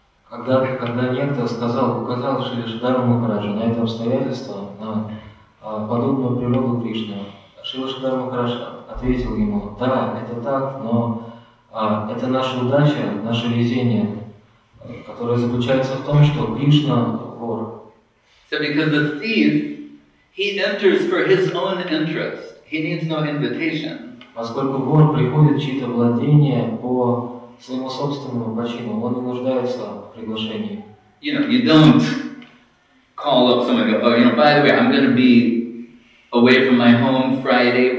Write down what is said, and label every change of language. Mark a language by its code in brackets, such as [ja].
[ru] Когда некто сказал, указал Шриладару Махараджу на это обстоятельство, на подобную природу Кришны, Шриладару Махараджа ответил ему, да, это так, но это наша удача, наше везение, которое заключается в том, что Кришна вор. [en] So because the thief, he enters for his own interest. He needs no invitation. [ru] Поскольку вор приходит в чьи-то владения по своему собственному почину, он не нуждается в приглашении. [en] You know, you don't call up someone and go, oh, you know, by the way, I'm going to be away from my home Friday.